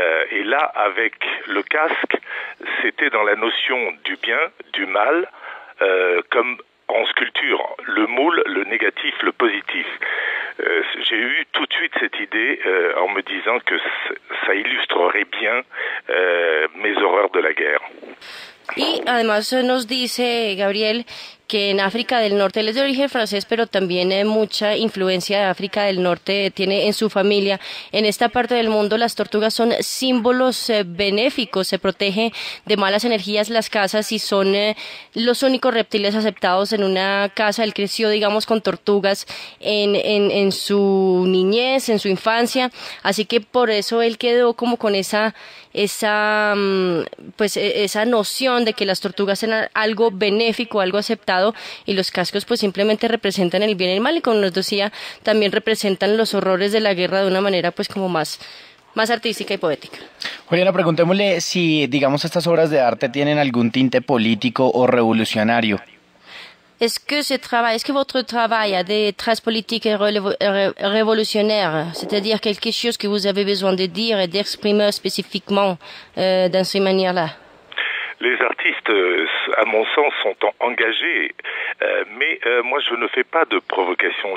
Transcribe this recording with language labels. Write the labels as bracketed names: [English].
[French] Et là, avec le casque, c'était dans la notion du bien, du mal, comme en sculpture, le moule, le négatif, le positif. J'ai eu tout de suite cette idée en me disant que ça illustrerait bien mes horreurs de la guerre. [Spanish] Y además nos dice Gabriel que en África del Norte, él es de origen francés, pero también mucha influencia de África del Norte tiene en su familia. En esta parte del mundo las tortugas son símbolos benéficos, se protege de malas energías las casas y son los únicos reptiles aceptados en una casa. Él creció, digamos, con tortugas en su niñez, en su infancia, así que por eso él quedó como con esa noción de que las tortugas eran algo benéfico, algo aceptado, y los cascos pues simplemente representan el bien y el mal, y como nos decía, también representan los horrores de la guerra de una manera pues como más artística y poética. Juliana, preguntémosle si, digamos, estas obras de arte tienen algún tinte político o revolucionario. [French] Est-ce que votre travail a des traces politiques révolutionnaires, c'est-à-dire quelque chose que vous avez besoin de dire et d'exprimer spécifiquement dans cette manière-là? Les artistes, à mon sens, sont engagés, mais moi je ne fais pas de provocation.